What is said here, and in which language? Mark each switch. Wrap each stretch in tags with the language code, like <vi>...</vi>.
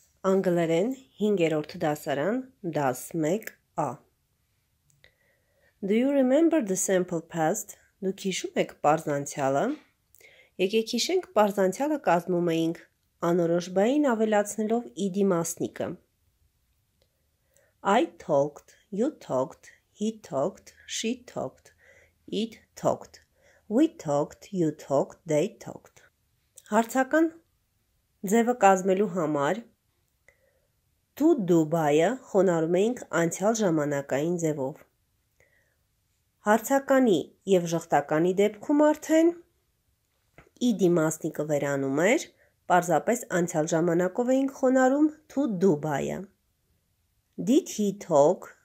<hy>Angleren 5-րդ դասարան, դաս 1-ա.</hy> <en>Do you remember the simple past?</en> <hy>Դուք հիշում եք պարզանցյալը? Եկեք հիշենք պարզանցյալը կազմում էինք անորոշբային ավելացնելով ed մասնիկը.</hy> <en>I talked, you talked, he talked, she talked, it talked. We talked, you talked, they talked.</en> <hy>Հարցական ձևը կազմելու համար To Dubai-ը խոնարհում էինք անցյալ ժամանակային ձևով։ Հարցականի եւ ժխտականի դեպքում արդեն ed մասնիկը վերանում էր, պարզապես անցյալ ժամանակով էինք խոնարհում to Dubai-ը։</hy> <en>Did he talk?</en>